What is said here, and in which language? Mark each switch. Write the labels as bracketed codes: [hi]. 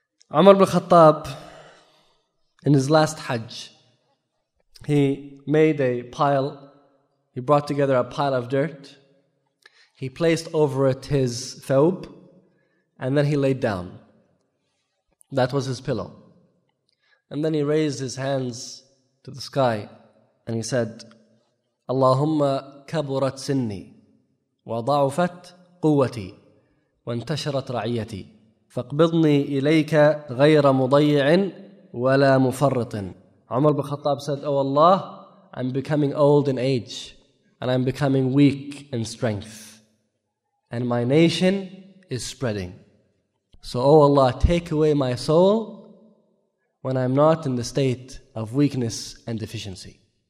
[en] Umar ibn Khattab, in his last Hajj, he made a pile, he brought together a pile of dirt, he placed over it his thawb, and then he laid down. That was his pillow. And then he raised his hands to the sky, and he said, [ar] اللهم كبرت سني وضعفت قوتي وانتشرت رعيتي فاقبضني إليك غير مضيع ولا مفرط. [en] Umar ibn Khattab said, oh Allah, I'm becoming old in age and I'm becoming weak in strength and my nation is spreading. So oh Allah, take away my soul when I'm not in the state of weakness and deficiency.